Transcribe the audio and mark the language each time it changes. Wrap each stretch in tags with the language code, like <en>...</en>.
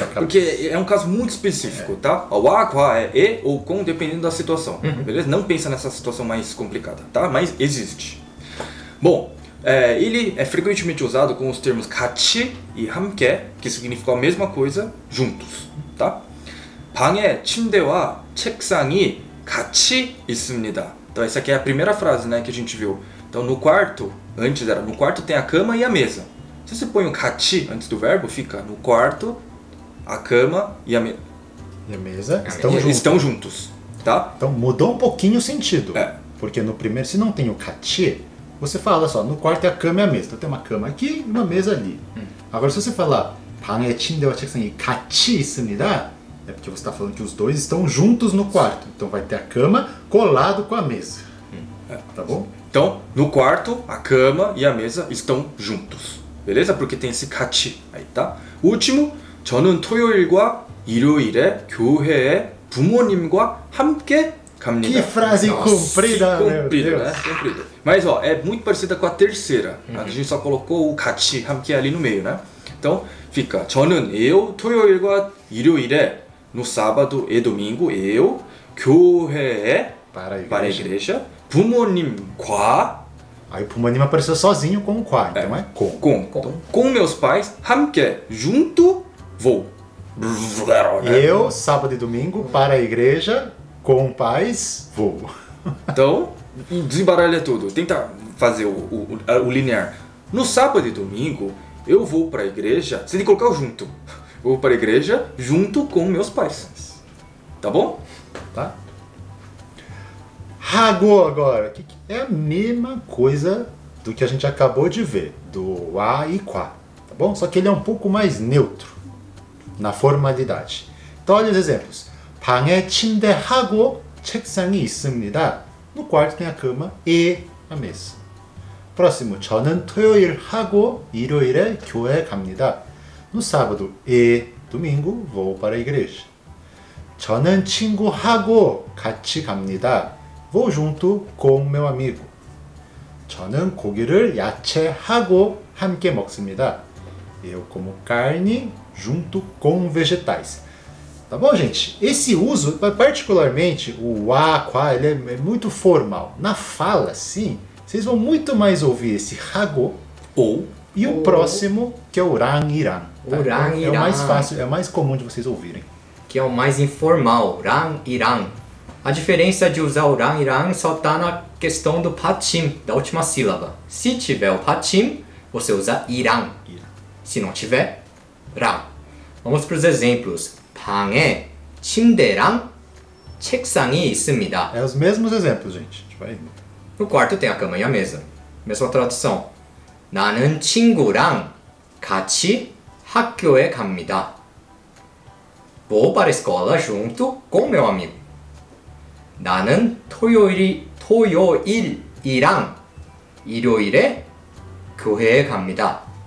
<pt>É, porque é um caso muito específico, tá? O aqua é e ou com, dependendo da situação. Uhum. Beleza? Não pensa nessa situação mais complicada, tá? Mas existe. Bom. É, ele é frequentemente usado com os termos 같이 e 함께, que significam a mesma coisa, juntos, tá?</pt> <ko>방에 침대와 책상이 같이 있습니다.</ko> <pt>Então essa aqui é a primeira frase, né, que a gente viu. Então no quarto, antes era no quarto tem a cama e a mesa. Se você põe o 같이 antes do verbo, fica no quarto, a cama e a mesa. E a mesa estão, e, juntos. Estão juntos, tá? Então mudou um pouquinho o sentido. É. Porque no primeiro, se não tem o 같이, você fala só, no quarto é a cama e a mesa. Então tem uma cama aqui e uma mesa ali. Agora se você falar</pt> <ko>방에 침대와 책상이 같이 있습니다,</ko> <pt>é porque você está falando que os dois estão juntos no quarto. Então vai ter a cama colado com a mesa. Tá bom? Então, no quarto, a cama e a mesa estão juntos. Beleza? Porque tem esse 같이 aí, tá?</pt> <ko>Último, 저는 토요일과 일요일에 교회에 부모님과 함께 갑니다.</ko> <pt>Que frase comprida, meu comprida, Deus. Né? Comprida. Mas, ó, é muito parecida com a terceira. Uhum. A gente só colocou o 같이, 함께 ali no meio, né? Então, fica, 저는 eu, 토요일과 일요일에, no sábado e domingo, eu, 교회에, para a igreja, 부모님과, aí o 부모님 apareceu sozinho com o 과, então é com. Com. Então, com meus pais, 함께, junto, vou. Eu, sábado e domingo, para a igreja, com pais, vou. Então, desembaralha tudo. Tenta fazer o linear. No sábado e domingo, eu vou para a igreja. Você tem que colocar o junto. Vou para a igreja junto com meus pais. Tá bom? Tá. Hagou agora. É a mesma coisa do que a gente acabou de ver. Do a e qua. Tá bom? Só que ele é um pouco mais neutro na formalidade. Então, olha os exemplos.</pt> <ko>방에 침대하고 책상이 있습니다.</ko> <pt>No quarto tem a cama e a mesa. Próximo,</pt> <ko>저는 토요일하고 일요일에 교회 갑니다.</ko> <pt>No sábado e domingo vou para a igreja.</pt> <ko>저는 친구하고 같이 갑니다.</ko> <pt>Vou junto com meu amigo.</pt> <ko>저는 고기를 야채하고 함께 먹습니다.</ko> <pt>Eu como carne junto com vegetais. Tá bom, gente? Esse uso, particularmente, o a, qua, ele é muito formal. Na fala, sim, vocês vão muito mais ouvir esse hago ou e o próximo, que é o rang irang. Tá? Rang irang. É o mais fácil, é o mais comum de vocês ouvirem. Que é o mais informal, rang irang. A diferença de usar o rang irang só está na questão do patim, da última sílaba. Se tiver o patim, você usa irang. Se não tiver, rang. Vamos para os exemplos.</pt> <ko>방에 침대랑 책상이 있습니다.</ko> <pt>É os mesmos exemplos, gente. Vai. No quarto tem a cama e a mesa. Mesma tradução.</pt> <ko>나는 친구랑 같이 학교에 갑니다.</ko> <pt>Vou para a escola junto com meu amigo.</pt> <ko>나는 토요일이랑 일요일에 교회에 갑니다.</ko>